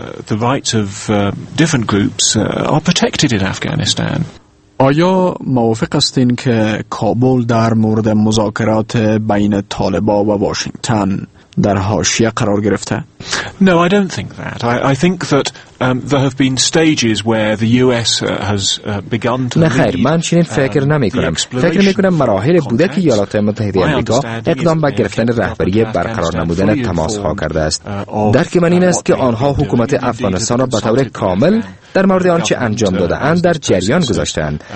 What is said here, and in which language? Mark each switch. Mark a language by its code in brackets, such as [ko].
[en] The rights of different groups are protected in Afghanistan. [fa] آیا موافق هستین که کابل در مورد مذاکرات بین طالبا و واشنگتن در حاشیه قرار گرفته؟ [en] No, I don't think that. I think that there have been stages where the US has begun to. [fa] نه خیر، من چنین فکر نمی کنم. فکر می کنم مراحل بوده که ایالات متحده آمریکا اقدام به گرفتن رهبری برقرار نمودن تماس ها کرده است. درک من این است که آنها حکومت افغانستان را به طور کامل در مورد آنچه انجام داده اند در جریان گذاشتند.